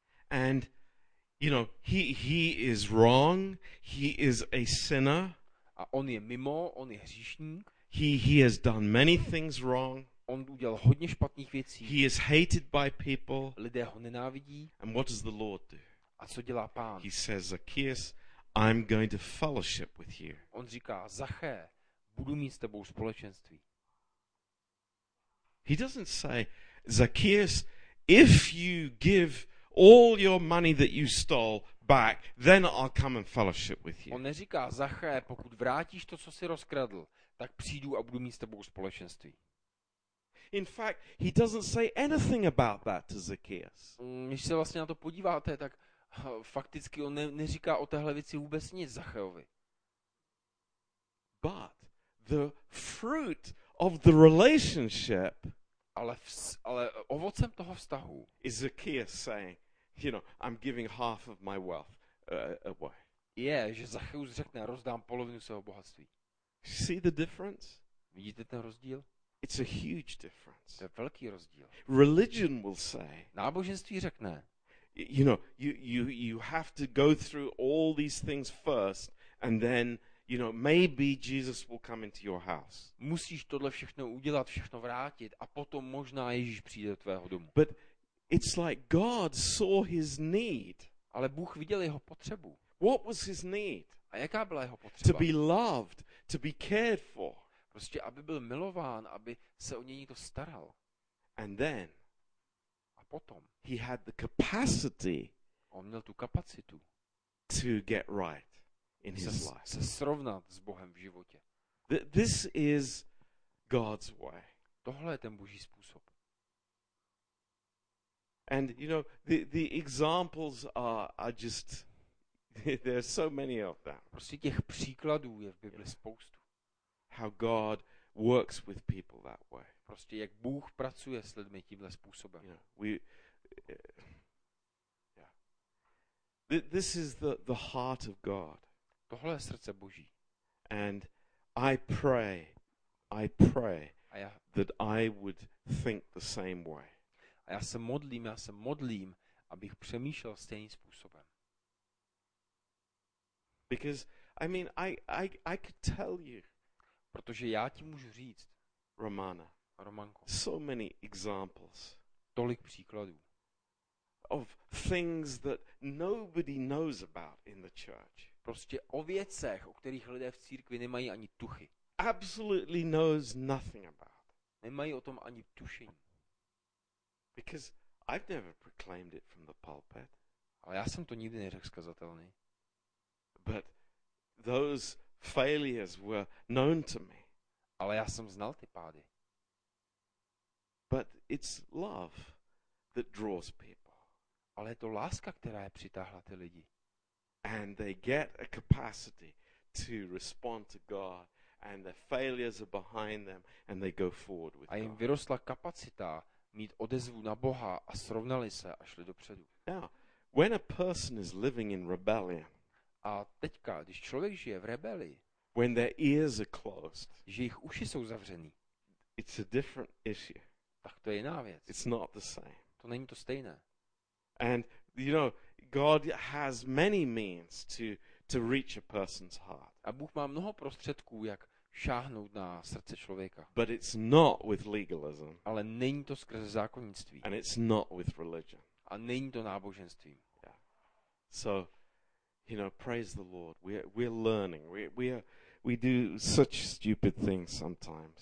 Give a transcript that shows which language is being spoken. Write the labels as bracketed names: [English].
[English] And you know, he is wrong, he is a sinner. [Czech] A on je mimo, on je hříšník. [English] He has done many things wrong. [Czech] On udělal hodně špatných věcí. [English] He is hated by people. [Czech] Lidé ho nenávidí. [English] And what does the Lord do? [Czech] A co dělá Pán? [English] He says, Zacchaeus, I'm going to fellowship with you. [Czech] On říká, Zaché, budu mít s tebou společenství. [English] He doesn't say, Zacchaeus, if you give all your money that you stole back, then I'll come and fellowship with you. [Czech] On neříká, Zaché, pokud vrátíš to, co jsi rozkradl, tak přijdu a budu mít s tebou společenství. [English] In fact, he doesn't say anything about that to Zacchaeus. [Czech] Když se vlastně na to podíváte, tak fakticky on neříká o téhle věci vůbec nic Zachéovi. [English] But the fruit of the relationship, [Czech] ale ovocem toho vztahu, [English] is Zacchaeus saying, you know, I'm giving half of my wealth away. [Czech] Je, že Zachéus řekne, rozdám polovinu svého bohatství. [English] See the difference? [Czech] Vidíte ten rozdíl? [English] It's a huge difference. [Czech] To je velký rozdíl. [English] Religion will say. [Czech] Náboženství řekne. [English] You know, you have to go through all these things first and then, you know, maybe Jesus will come into your house. [Czech] Musíš tohle všechno udělat, všechno vrátit a potom možná Ježíš přijde do tvého domu. [English] But it's like God saw his need. [Czech] Ale Bůh viděl jeho potřebu. [English] What was his need? [Czech] A jaká byla jeho potřeba? [English] To be loved, to be cared for. [Czech] Prostě, aby byl milován, aby se o něj někdo staral. [English] And then, [Czech] a potom, [English] he had the capacity, [Czech] on měl tu kapacitu, [English] to get right in his life. [Czech] Se srovnat s Bohem v životě. [English] This is God's way. [Czech] Tohle je ten Boží způsob. [English] And you know, the examples are just, there are so many of them. [Czech] Prostě těch příkladů je v Bibli spoustu. [English] How God works with people that way. [Czech] Prostě jak Bůh pracuje s lidmi tímhle způsobem. [English] Yeah. This is the heart of God. [Czech] Tohle je srdce Boží. [English] And I pray that I would think the same way. [Czech] A já se modlím, abych přemýšlel stejným způsobem. [English] Because I mean I could tell you. [Czech] Protože já ti můžu říct, [English] Romana, [Czech] Romanko, [English] so many examples, [Czech] tolik příkladů, [English] of things that nobody knows about in the church. [Czech] Prostě o věcech, o kterých lidé v církvi nemají ani tuchy. [English] Absolutely knows nothing about. [Czech] Nemají o tom ani tušení. [English] Because I've never proclaimed it from the pulpit. [Czech] Ale já jsem to nikdy neřekl z kazatelny. [English] But those failures were known to me. [Czech] Ale já jsem znal ty pády. [English] But it's love that draws people. [Czech] Ale je to láska, která je přitáhla ty lidi. [English] And they get a capacity to respond to God, and their failures are behind them, and they go forward with God. [Czech] A jim vyrostla kapacita mít odezvu na Boha a srovnali se a šli dopředu. [English] Now, when a person is living in rebellion, [Czech] a teďka, když člověk žije v rebeli, [English] when their ears are closed, [Czech] že jejich uši jsou zavřený, [English] it's a different issue. [Czech] Tak to je jiná věc. [English] It's not the same. [Czech] To není to stejné. [English] And you know, God has many means to reach a person's heart. [Czech] A Bůh má mnoho prostředků, jak šáhnout na srdce člověka. [English] But it's not with legalism. [Czech] Ale není to skrze zákonnictví. [English] And it's not with religion. [Czech] A není to náboženstvím. [English] Yeah. So, you know, praise the Lord. We're learning. We do such stupid things sometimes.